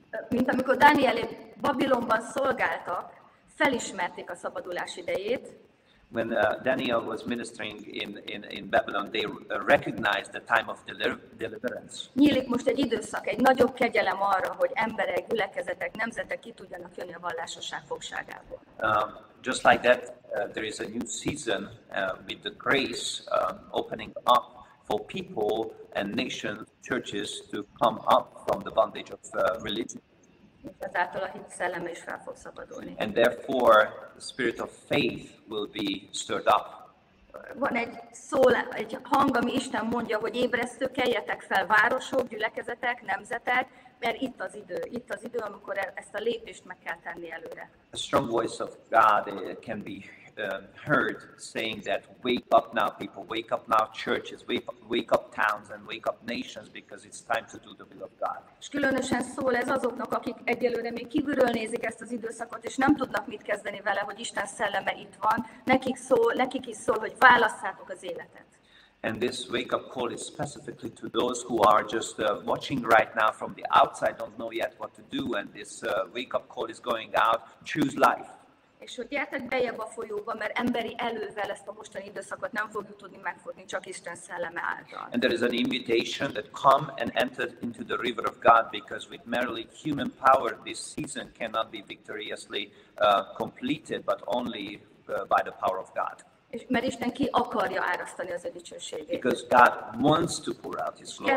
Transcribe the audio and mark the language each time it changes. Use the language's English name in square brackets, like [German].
[Hungarian] Mint amikor Dániel Babilonban szolgáltak, felismerték a szabadulás idejét. [English] When Daniel was ministering in Babylon, they recognized the time of deliverance. [Hungarian] Nyílik most egy időszak, egy nagyobb kegyelem arra, hogy emberek, gyülekezetek, nemzetek ki tudjanak jönni a vallásosság fogságából. [English] Just like that, there is a new season with the grace opening up for people and nation churches to come up from the bondage of religion. [Hungarian] Ezáltal a hit szelleme is fel fog szabadulni. [English] And therefore, the spirit of faith will be stirred up. [Hungarian] van egy szól, egy hang, ami Isten mondja, hogy ébresztő, keljetek fel városok, gyülekezetek, nemzetek, mert itt az idő, amikor ezt a lépést meg kell tenni előre. [English] A strong voice of God can be heard saying that wake up now, people, wake up now, churches, wake up towns and wake up nations, because it's time to do the will of God. [Hungarian] És különösen szól ez azoknak, akik egyelőre még kívülről nézik ezt az időszakot, és nem tudnak mit kezdeni vele, hogy Isten szelleme itt van, nekik szól, nekik is szól, hogy válasszátok az életet. [English] And this wake-up call is specifically to those who are just watching right now from the outside, don't know yet what to do, and this wake-up call is going out, choose life. [Hungarian] És hogy gyertek bejebb a folyóba, mert emberi elővel ezt a mostani időszakot nem fogjuk tudni megfogni, csak Isten szelleme által. [English] And there is an invitation that come and enter into the river of God, because with merely human power this season cannot be victoriously completed, but only by the power of God. [Hungarian] Mert Isten ki akarja árasztani az ő dicsőségét. [English] Because God wants to pour out his glory.